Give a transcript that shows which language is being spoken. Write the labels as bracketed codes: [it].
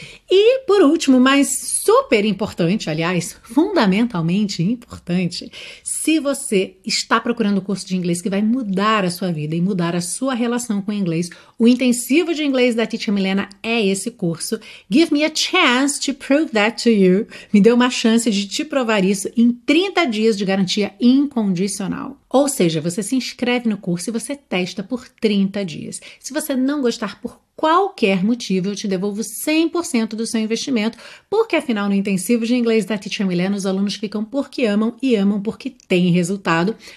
[pt] E por último, mas super importante, aliás, fundamentalmente importante, se você está procurando um curso de inglês que vai mudar a sua vida e mudar a sua relação com o inglês, o intensivo de inglês da Teacher Milena é esse curso. [en] Give me a chance to prove that to you. [pt] Me dê uma chance de te provar isso em 30 dias de garantia incondicional. Ou seja, você se inscreve no curso e você testa por 30 dias. Se você não gostar por qualquer motivo, eu te devolvo 100% do seu investimento, porque afinal, no intensivo de inglês da Teacher Milena, os alunos ficam porque amam e amam porque têm resultado.